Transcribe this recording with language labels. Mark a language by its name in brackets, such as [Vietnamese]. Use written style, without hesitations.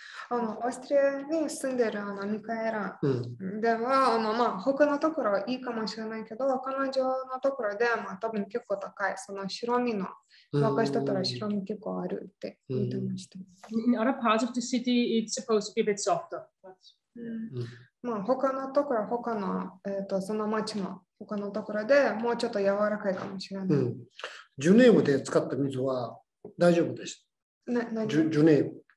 [Japanese] オーストリアに住んでるミカエラでは、うんまあ、他のところはいいかもしれないけど彼女のところでは、まあ、多分結構高いその白身の沸かしたら白身結構あるって言ってました、 [English] うん、In other parts of the city it's supposed to be a bit softer [Japanese] but...、うんまあ、他のところ他の、その町の他のところでもうちょっと柔らかいかもしれない、うん、ジュネーブで使った水は大丈夫でしたジュネーブ